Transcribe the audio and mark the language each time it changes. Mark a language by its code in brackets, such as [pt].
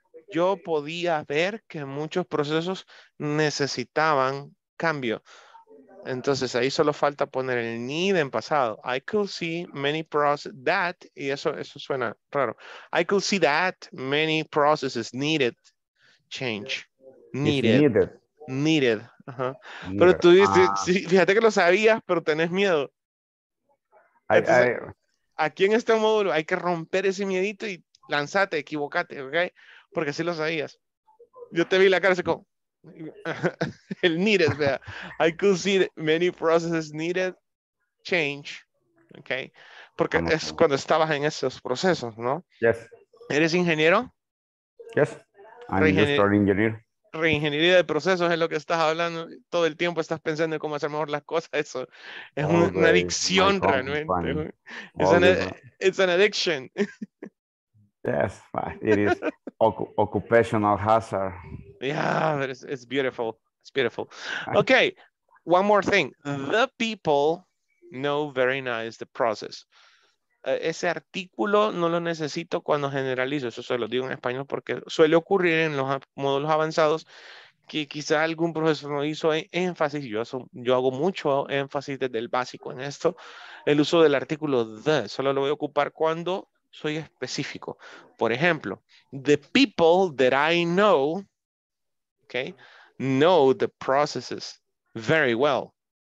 [es] Yo podía ver que muchos procesos necesitaban cambio. Entonces ahí solo falta poner el need en pasado. [en] I could see many processes that, [es] y eso suena raro. [en] I could see that many processes needed change. Needed. Ajá. [es] Pero tú dices, fíjate que lo sabías, pero tenés miedo. Aquí en este módulo hay que romper ese miedito y lanzate, equivocate, ¿ok? Porque sí lo sabías. Yo te vi la cara así como. El needed, vea. [en] I could see many processes needed change, ¿ok? [es] Porque es cuando estabas en esos procesos, ¿no? [en] Yes. [es] ¿Eres ingeniero? [en] Yes. I'm a software engineer. [es] Reingeniería de procesos es lo que estás hablando. Todo el tiempo estás pensando en cómo hacer mejor las cosas. Eso es una adicción realmente. [en] It's an addiction. Yes, it is occupational hazard. Yeah, but it's beautiful. It's beautiful. Okay, one more thing. The people know very nice the process. [es] Ese artículo no lo necesito cuando generalizo, eso se lo digo en español porque suele ocurrir en los módulos avanzados que quizá algún profesor no hizo énfasis, yo hago mucho énfasis desde el básico en esto, el uso del artículo the, solo lo voy a ocupar cuando soy específico. Por ejemplo, [en] the people that I know, okay, know the processes very well.